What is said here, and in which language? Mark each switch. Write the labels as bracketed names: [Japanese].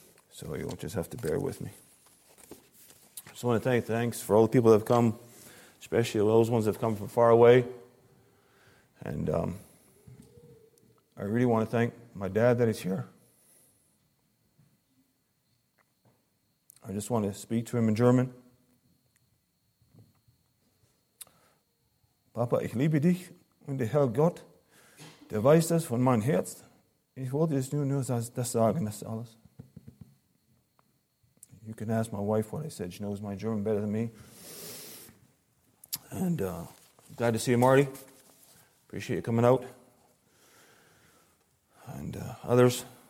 [English] So you'll just have to bear with me. I just want to thank thanks for all the people that have come, especially those ones that have come from far away. And I really want to thank my dad that is here. I just want to speak to him in German. [German] Papa, ich liebe dich und der Herr Gott, der weiß das von meinem Herz. Ich wollte es nur das sagen, das alles. [English] You can ask my wife what I said. She knows my German better than me. And glad to see you, Marty. Appreciate you coming out. And others.